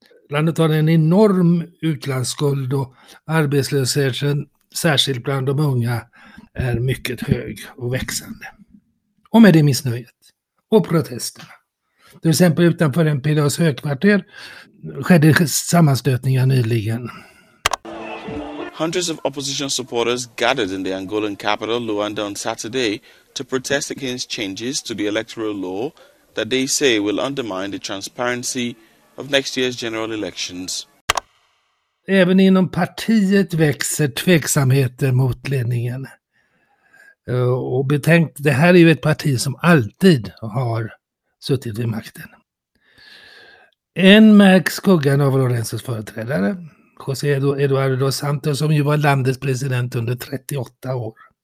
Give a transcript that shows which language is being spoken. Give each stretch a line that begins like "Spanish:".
Swedish: Landet har en enorm utlandsskuld och arbetslösheten, särskilt bland de unga, är mycket hög och växande. Och med det missnöjet och protesterna. Till exempel utanför MPLA:s högkvarter skedde sammanstötningar nyligen.
English: Hundreds of opposition supporters gathered in the Angolan capital Luanda on Saturday to protest against changes to the electoral law that they say will undermine the transparency of next year's general elections.
Swedish: Även inom partiet växer tveksamheter mot ledningen. Och betänk, det här är ju ett parti som alltid har suttit vid makten. En märk skuggan av Lorenzos företrädare, José Eduardo dos Santos, som ju var landets president under 38 år.